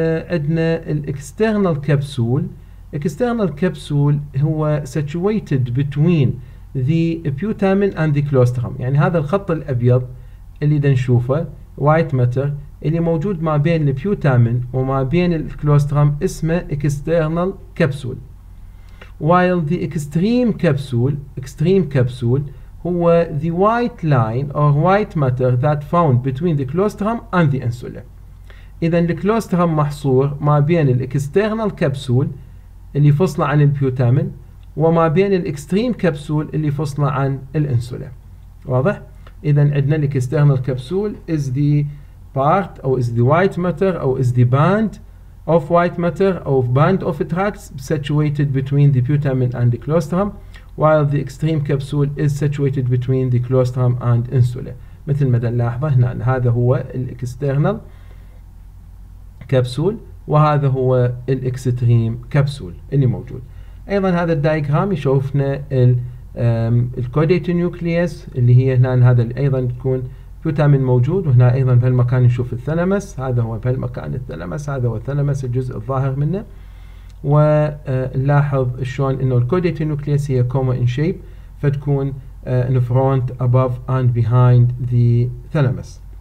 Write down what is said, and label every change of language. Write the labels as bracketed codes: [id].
[ar] عندنا الاكسترنال كبسول external capsule هو [en] situated between the putamen and the colostrum [ar] يعني هذا الخط الأبيض اللي دنشوفه white matter اللي موجود ما بين البيوتامين وما بين الكلوسترام اسمه external capsule [en] while the extreme capsule [ar] هو [en] the white line or white matter that found between the colostrum and the insula. [ar] إذا الكلوسترام محصور ما بين الاكسترنال capsule اللي فصل عن البيوتامين وما بين الاكستريم كبسول اللي فصل عن الانسولا واضح؟ اذا عندنا الاكسترنال كبسول [en] is the part or is the white matter or is the band of white matter or band of attracts situated between the putamen and the colostrum, while the extreme capsule is situated between the colostrum and insula. [ar] مثل ما نلاحظه هنا هذا هو الاكسترنال كبسول وهذا هو الاكستريم كبسول اللي موجود. ايضا هذا الدايجرام يشوفنا الكوديت نيوكليس اللي هي هنا هذا ايضا تكون بيوتامين موجود وهنا ايضا في المكان نشوف الثلمس هذا هو في المكان الثلمس هذا هو الثلمس الجزء الظاهر منه ونلاحظ شلون انه الكوديت نيوكليس هي كوما ان شيب فتكون [en] in front, above, and behind the thalamus.